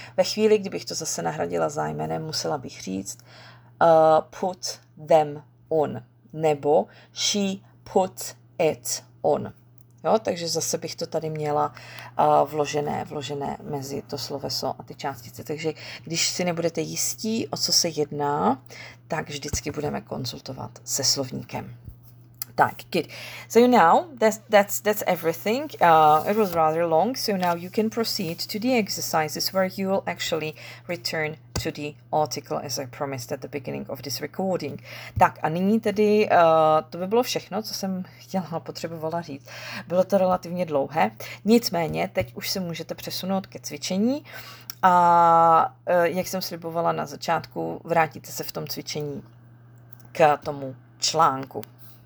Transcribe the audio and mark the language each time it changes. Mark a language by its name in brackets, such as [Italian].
[Czech] Ve chvíli, kdybych to zase nahradila za jménem, musela bych říct [English] put them on, [Czech] nebo [English] she put it on. [Czech] Jo, takže zase bych to tady měla vložené mezi to sloveso a ty částice. Takže když si nebudete jistí, o co se jedná, tak vždycky budeme konzultovat se slovníkem. [English] Tak, good. So now, that's everything. It was rather long, so now you can proceed to the exercises where you will actually return to the article as I promised at the beginning of this recording. [Czech] Tak a nyní tedy, to by bylo všechno, co jsem chtěla, potřebovala říct. Bylo to relativně dlouhé, nicméně teď už se můžete přesunout ke cvičení. A jak jsem slibovala na začátku, vrátíte se v tom cvičení k tomu článku.